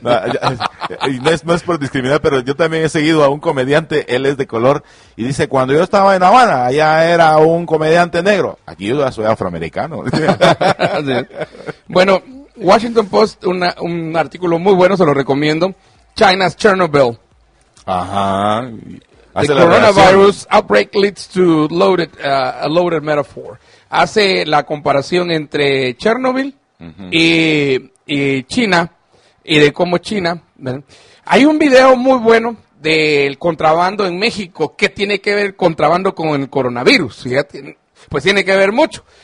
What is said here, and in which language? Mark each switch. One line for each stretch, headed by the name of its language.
Spanish: No, es, no es por discriminar, pero yo también he seguido a un comediante, él es de color, y dice, cuando yo estaba en Habana, allá era un comediante negro. Aquí yo ya soy afroamericano. Sí. Bueno, Washington Post, un artículo muy bueno, se lo recomiendo.
English: China's Chernobyl. Ajá. The coronavirus outbreak leads to loaded, a loaded metaphor.
Spanish: Hace la comparación entre Chernobyl y China, y de cómo China, ¿verdad? Hay un video muy bueno del contrabando en México. ¿Qué tiene que ver el contrabando con el coronavirus? Fíjate, pues tiene que ver mucho.